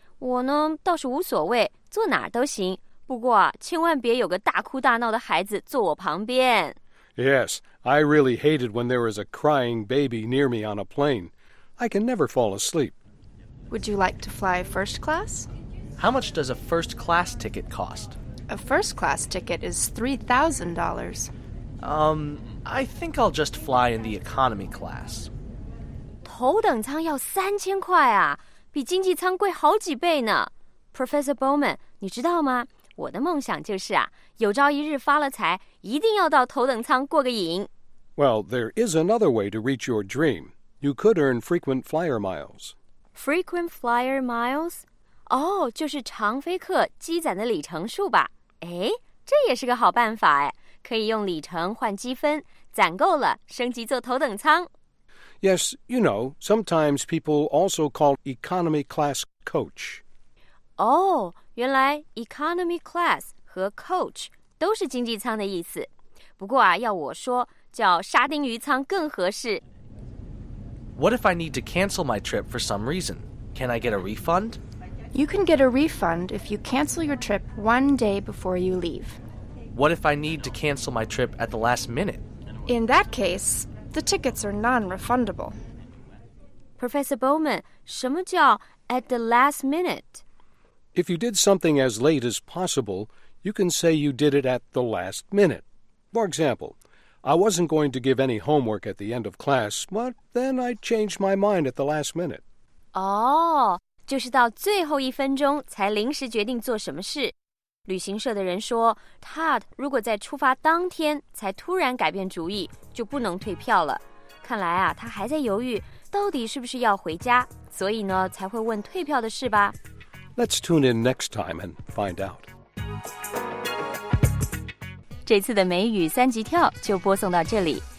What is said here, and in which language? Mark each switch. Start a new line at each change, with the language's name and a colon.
Chinese: 我呢倒是无所谓，坐哪儿都行。不过啊，千万别有个大哭大闹的孩子坐我旁边。
English: Yes, I really hate it when there is a crying baby near me on a plane. I can never fall asleep. Would you like to fly first class? How much does a first class ticket cost? A first class ticket is $3,000. I think I'll just fly in the economy class.
Chinese: 头等舱要三千块啊，比经济舱贵好几倍呢。 Professor Bowman, 你知道吗？我的梦想就是啊，有朝一日发了财，一定要到头等舱过个瘾。
English: Well, there is another way to reach your dream. You could earn frequent flyer miles. Frequent flyer miles?
Chinese: 哦，就是常飞客积攒的里程数吧。哎，这也是个好办法哎，可以用里程换积分，攒够了升级坐头等舱。
English: Yes, you know, sometimes people also call economy class coach.
Chinese: Oh, 原来 economy class 和 coach 都是经济舱的意思。不过啊，要我说，叫沙丁鱼舱更合适。
English: What if I need to cancel my trip for some reason? Can I get a refund? You can get a refund if you cancel your trip one day before you leave. What if I need to cancel my trip at the last minute? In that case, the tickets are non-refundable.
Chinese: Professor Bowman, 什么叫
English: at the last minute? If you did something as late as possible, you can say you did it at the last minute. For example, I wasn't going to give any homework at the end of class, but then I changed my mind at the last minute.
Chinese: Oh, 就是到最后一分钟才临时决定做什么事。旅行社的人说 ,Todd 如果在出发当天才突然改变主意就不能退票了。看来啊他还在犹豫到底是不是要回家所以呢才会问退票的事吧。
English: Let's tune in next time and find out.
Chinese: 这次的美语三级跳就播送到这里。